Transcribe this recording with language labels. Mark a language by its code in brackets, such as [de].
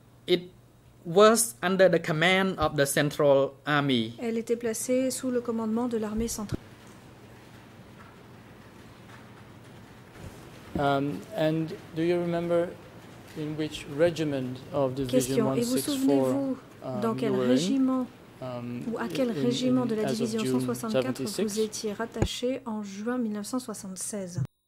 [en] it was under the command of the Central Army. [fr] Elle était placée sous le commandement de l'armée centrale. [en] And do you remember in which regiment of Division 164 [fr] Et vous souvenez-vous dans quel régiment Ou à quel régiment de la division 164 vous étiez rattaché en juin 1976?